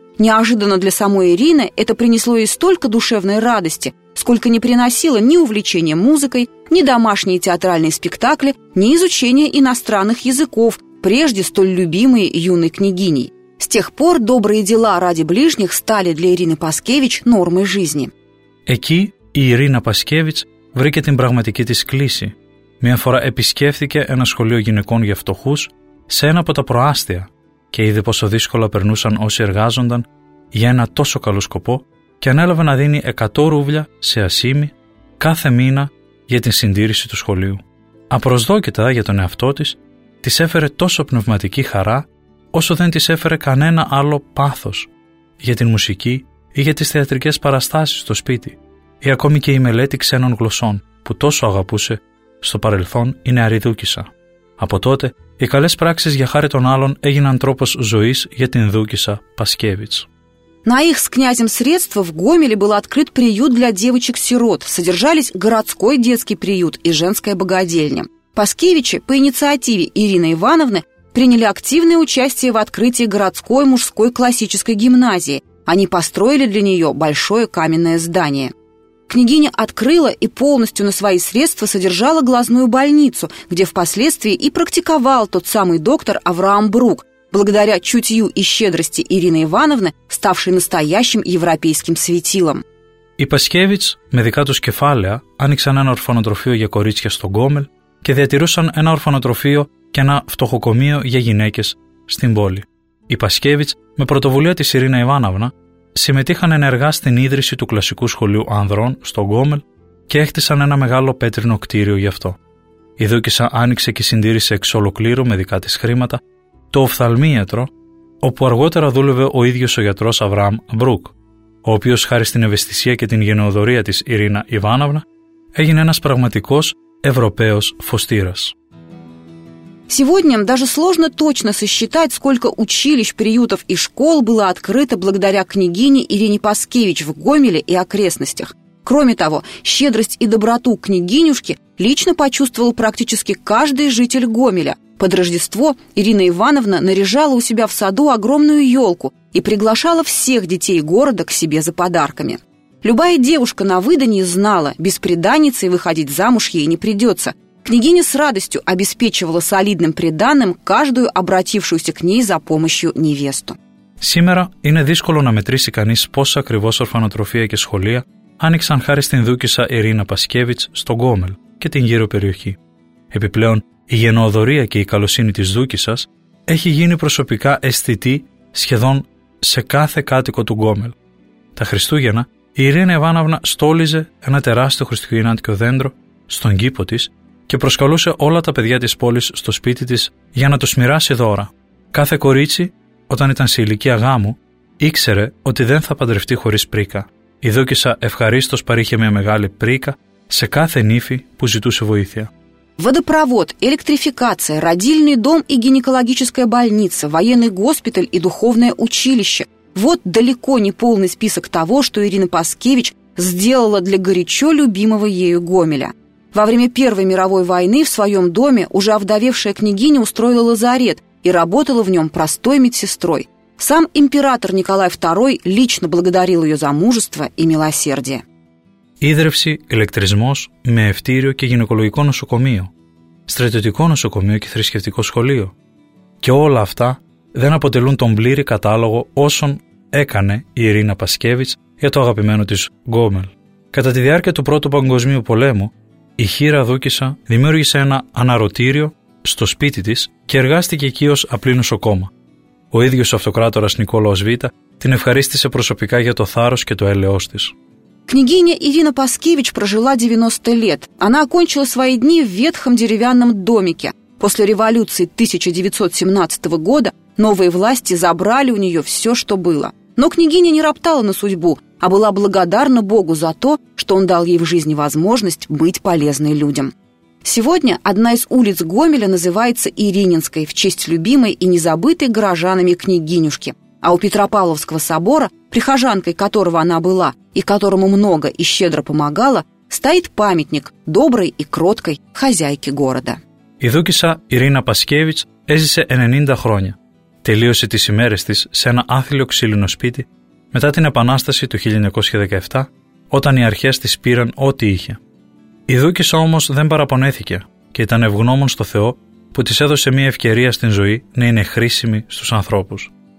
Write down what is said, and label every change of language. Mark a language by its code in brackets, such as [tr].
[ru] Неожиданно для самой Ирины это принесло ей столько душевной радости, сколько не приносило ни увлечения музыкой, ни домашние театральные спектакли, ни изучение иностранных языков, прежде столь любимые юной княгиней. С тех пор добрые дела ради ближних стали для Ирины Паскевич нормой жизни. [el] Εκεί η Ирина Паскевич βρήκε την πραγματική της κλίση. Μια φορά επισκέφθηκε ένα σχολείο γυναικών για φτωχούς σε ένα από τα προάστια και είδε πόσο δύσκολα περνούσαν όσοι εργάζονταν για ένα τόσο καλό σκοπό και ανέλαβε να δίνει 100 ρούβλια σε ασήμι κάθε μήνα για την συντήρηση του σχολείου. Απροσδόκητα για τον εαυτό της, της έφερε τόσο πνευματική χαρά όσο δεν της έφερε κανένα άλλο πάθος για την μουσική ή για τις θεατρικές παραστάσεις στο σπίτι ή ακόμη και η μελέτη ξένων γλωσσών που τόσο αγαπούσε στο παρελθόν η νεαρή δούκισσα. Από τότε, οι καλές πράξεις για χάρη των άλλων έγιναν τρόπος ζωής για την δούκισσα Πασκέβιτς. [ru] На их с князем средства в Гомеле был открыт приют для девочек-сирот, содержались городской детский приют и женская богадельня. Паскевичи по инициативе Ирины Ивановны приняли активное участие в открытии городской мужской классической гимназии. Они построили для нее большое каменное здание. Княгиня открыла и полностью на свои средства содержала глазную больницу, где впоследствии и практиковал тот самый доктор Авраам Брук, благодаря чутью и щедрости Ирины Ивановны, ставшей настоящим европейским светилом. [el] Η Пасκевич με δικά τους κεφάλαια άνοιξαν ένα ορφανοτροφείο για κορίτσια στο Γκόμελ, και διατηρούσαν ένα ορφανοτροφείο και ένα φτωχοκομείο για γυναίκες στην πόλη. Οι Πασκέβιτς, με πρωτοβουλία της Ειρίνα Ιβάναυνα, συμμετείχαν ενεργά στην ίδρυση του κλασικού σχολείου ανδρών στο Γκόμελ και έχτισαν ένα μεγάλο πέτρινο κτίριο γι' αυτό. Η Δούκισσα άνοιξε και συντήρησε εξ ολοκλήρου με δικά της χρήματα το οφθαλμίατρο, όπου αργότερα δούλευε ο ίδιος ο γιατρός Αβραάμ Μπρουκ, ο οποίος χάρη στην ευαισθησία και την γενναιοδορία της Ειρίνα Ιβάναυνα έγινε ένας πραγματικός Ευρωπαίος φωστήρας. [ru] Сегодня даже сложно точно сосчитать, сколько училищ, приютов и школ было открыто благодаря княгине Ирине Паскевич в Гомеле и окрестностях. Кроме того, щедрость и доброту княгинюшки лично почувствовал практически каждый житель Гомеля. Под Рождество Ирина Ивановна наряжала у себя в саду огромную елку и приглашала всех детей города к себе за подарками. Любая девушка на выданье знала, без приданницы выходить замуж ей не придется. Княгиня с радостью обеспечивала солидным приданым каждую обратившуюся к ней за помощью невесту. Сегодня [el] είναι δύσκολο να μετρήσει κανείς πόσα ακριβώς ορφανοτροφεία και σχολεία άνοιξαν χάρη στην δούκισσα Ειρίνα Πασκέβιτς στο Γκόμελ και την γύρω περιοχή. Επιπλέον, η γενναιοδορία και η καλοσύνη της δούκισσας έχει γίνει προσωπικά αισθητή σχεδόν σε κάθε κάτοικο του Γκόμελ. Τα Χριστούγεννα, η Ειρίνα Ιβάναυνα στόλιζε ένα τεράστιο χριστουγεννιάτικο δέντρο στον κήπο της και προσκαλούσε όλα τα παιδιά της πόλης στο σπίτι της για να τους μοιράσει δώρα. Κάθε κορίτσι, όταν ήταν σε ηλικία γάμου, ήξερε ότι δεν θα παντρευτεί χωρίς πρίκα. Η δούκισσα ευχαρίστως παρήχε μια μεγάλη πρίκα σε κάθε νύφη που ζητούσε βοήθεια. [ru] Водопровод, электрификация, родильный дом и гинекологическая больница, военный госпиталь и духовное училище. Вот далеко не полный список того, что Ирина Паскевич сделала для горячо любимого ею Гомеля. Во время Первой мировой войны в своем доме уже овдовевшая княгиня устроила лазарет и работала в нем простой медсестрой. Сам император Николай II лично благодарил ее за мужество и милосердие. [el] Ίδρυυση, ηλεκτρισμός, μαιευτήριο και γυναικολογικό νοσοκομείο, στρατιωτικό νοσοκομείο και θρησκευτικό σχολείο. Και όλα αυτά δεν αποτελούν τον πλήρη κατάλογο όσων έκανε η Ειρίνα Πασκέβιτς για το αγαπημένο της Γκόμελ. Κατά τη διάρκεια του Πρώτου Παγκοσμίου Πολέμου, η Χίρα Δούκισσα δημιούργησε ένα αναρωτήριο στο σπίτι της και εργάστηκε εκεί ως απλή νοσοκόμα. Ο ίδιος ο αυτοκράτορας Νικόλαος Β' την ευχαρίστησε προσωπικά για το θάρρος και το έλεος της. [ru] Княгиня Ирина Паскевич прожила 90 лет. Она окончила свои дни в ветхом деревянном домике. После революции 1917 года новые власти забрали у нее все, что было. Но княгиня не роптала на судьбу, а была благодарна Богу за то, что он дал ей в жизни возможность быть полезной людям. Сегодня одна из улиц Гомеля называется Ирининской в честь любимой и незабытой горожанами княгинюшки. А у Петропавловского собора, прихожанкой которого она была и которому много и щедро помогала, стоит памятник доброй и кроткой хозяйке города. [el] Η δούκισσα Ειρίνα Πασκέβιτς έζησε 90 χρόνια. Τελείωσε τις ημέρες της σε ένα άθλιο ξύλινο σπίτι μετά την Επανάσταση του 1917, όταν οι αρχές της πήραν ό,τι είχε. Η δούκισσα όμως δεν παραπονέθηκε και ήταν ευγνώμων στο Θεό που της έδωσε μια ευκαιρία στην ζωή να είναι χρήσιμη στους ανθρώπους.